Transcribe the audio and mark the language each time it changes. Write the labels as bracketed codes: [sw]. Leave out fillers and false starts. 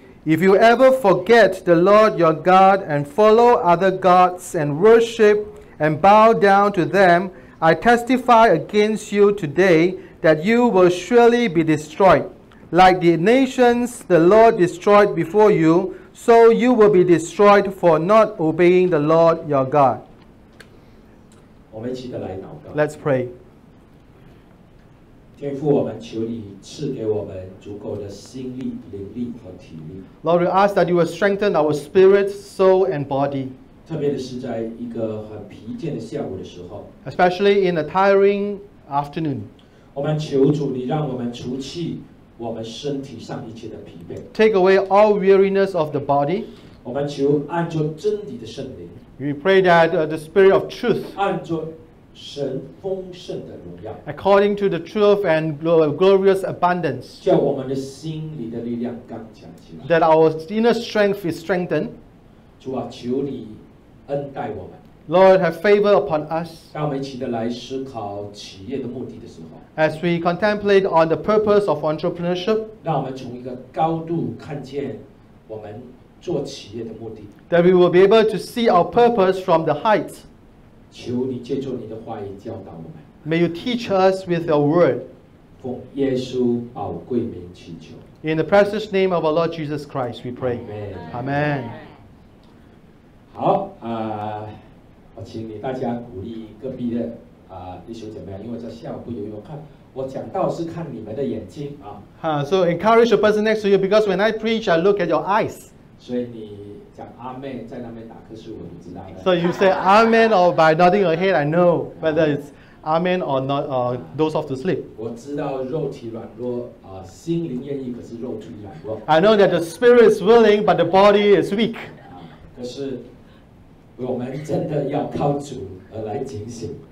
[en] If you ever forget the Lord your God and follow other gods and worship and bow down to them, I testify against you today that you will surely be destroyed. Like the nations the Lord destroyed before you, so you will be destroyed for not obeying the Lord your God. Let's pray. [zh] 天父，我们求你赐给我们足够的心力、灵力和体力。 [en] Lord, we ask that you will strengthen our spirit, soul, and body. [zh] 特别的是在一个很疲倦的下午的时候。 [en] Especially in a tiring afternoon. [zh] 我们求主，你让我们除去我们身体上一切的疲惫。 [en] Take away all weariness of the body. [zh] 我们求按着真理的圣灵。 [en] We pray that the spirit of truth. [zh] 按着神丰盛的荣耀 [en] ，according to the truth and glorious abundance， [zh] 叫我们的心里的力量刚强起来。 [en] That our inner strength is strengthened。 [zh] 主啊，求你恩待我们。 [en] Lord, have favor upon us。 [zh] 当我们一起的来思考企业的目的的时候 [en] ，as we contemplate on the purpose of entrepreneurship， [zh] 让我们从一个高度看见我们做企业的目的。 [en] That we will be able to see our purpose from the height。 [zh] 求你借助你的话语教导我们。 [en] May you teach us with your word. [zh] 奉耶稣宝贵名祈求。 [en] In the precious name of our Lord Jesus Christ, we pray. Amen. Amen. [zh] 好，我请你大家鼓励隔壁的弟兄姐妹，因为在下午有人看，我讲道是看你们的眼睛啊。 [en] So encourage the person next to you because when I preach, I look at your eyes. [zh] 所以你。讲阿妹在那边打瞌睡，我不知道。 [en] So you say amen or by nodding your head, I know whether it's amen or not, or doze off to sleep. [zh] 我知道肉体软弱，心灵愿意，可是肉体软弱。 [en] I know that the spirit is willing, but the body is weak. [zh] 可是我们真的要靠主而来警醒。